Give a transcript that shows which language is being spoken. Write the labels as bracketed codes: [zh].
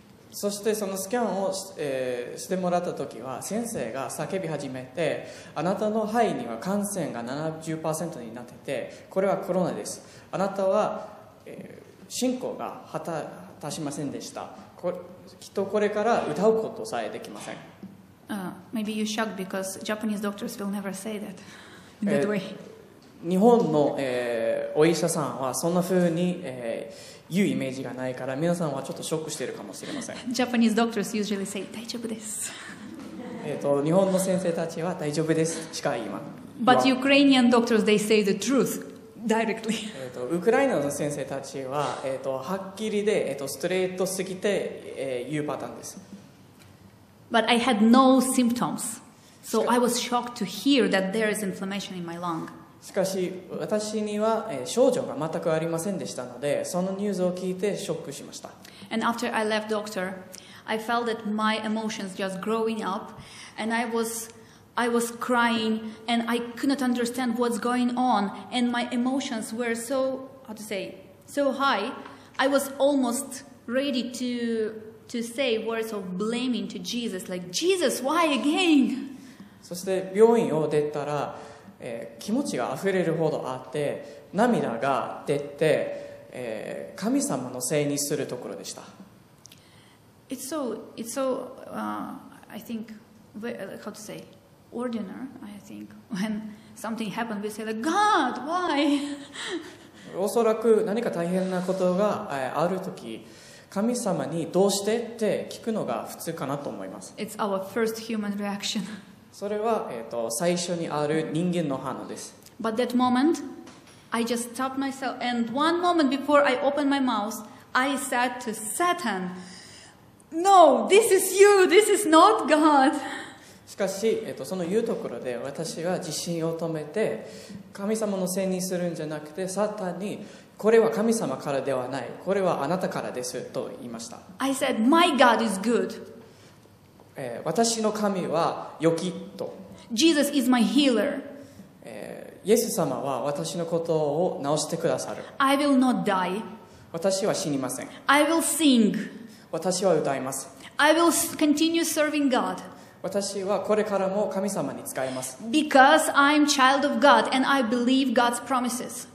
[ja] そしてそのスキャンを、してもらった時は先生が叫び始めて、あなたの肺には感染が 70% になってて、これはコロナです。あなたは、信仰が果たしませんでした。きっとこれから歌うことさえできません。 [en] Maybe you're shocked because Japanese doctors will never say that in that way. [ja] 日本の、お医者さんはそんな風に、言うイメージがないから皆さんはちょっとショックしているかもしれません。 [en] Japanese doctors usually say [ja] 大丈夫です。日本の先生たちは大丈夫ですしか言いません。 [en] But Ukrainian doctors, they say the truth directly. [ja] ウクライナの先生たちは、はっきりで、ストレートすぎて、言うパターンです。 [en] But I had no symptoms, so I was shocked to hear that there is inflammation in my lung. [ja] しかし私には症状が全くありませんでしたので、そのニュースを聞いてショックしました。 [en] And after I left doctor, I felt that my emotions just growing up, and I was crying, and I could not understand what's going on, and my emotions were so, how to say, so high, I was almost ready to say words of blaming to Jesus, like, Jesus, why again? [ja] そして病院を出たら、気持ちが溢れるほどあって、涙が出て、神様のせいにするところでした。 [en] I think, how to say, ordinary, I think, when something happened, we say, like, God, why? [ja] おそらく何か大変なことがあるとき、神様にどうしてって聞くのが普通かなと思います。 [en] It's our first human reaction. [ja] それは、最初にある人間の反応です。 [en] But that moment, I just stopped myself, and one moment before I opened my mouth, I said to Satan, No, this is you, this is not God. [ja] しかし、その言うところで私は自信を止めて、神様のせいにするんじゃなくて、サタンに、これは神様からではない、これはあなたからですと言いました。 [en] I said, My God is good. [ja] 私の神は良きと。 [en] Jesus is my healer. [ja] イエス様は私のことを治してくださる。 [en] I will not die. [ja] 私は死にません。 [en] I will sing. [ja] 私は歌います。 [en] I will continue serving God. [ja] 私はこれからも神様に仕えます。 [en] Because I'm child of God and I believe God's promises.